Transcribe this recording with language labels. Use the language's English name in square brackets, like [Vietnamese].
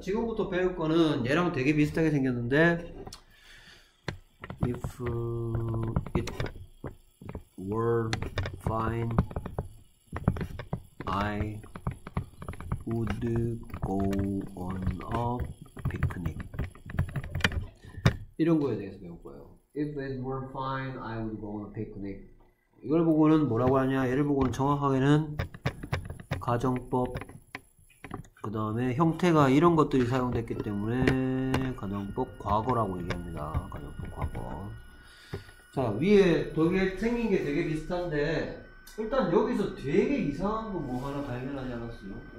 [Korean] 지금부터 배울 거는 얘랑 되게 비슷하게 생겼는데, [English] if it were fine, I would go on a picnic. [Korean] 이런 거에 대해서 배울 거예요. [English] If it were fine, I would go on a picnic. [Korean] 이걸 보고는 뭐라고 하냐? 얘를 보고는 정확하게는 가정법, 그 다음에 형태가 이런 것들이 사용됐기 때문에 가정법 과거라고 얘기합니다. 가정법 과거. 자, 위에 되게 생긴 게 되게 비슷한데, 일단 여기서 되게 이상한 거 뭐 하나 발견하지 않았어요?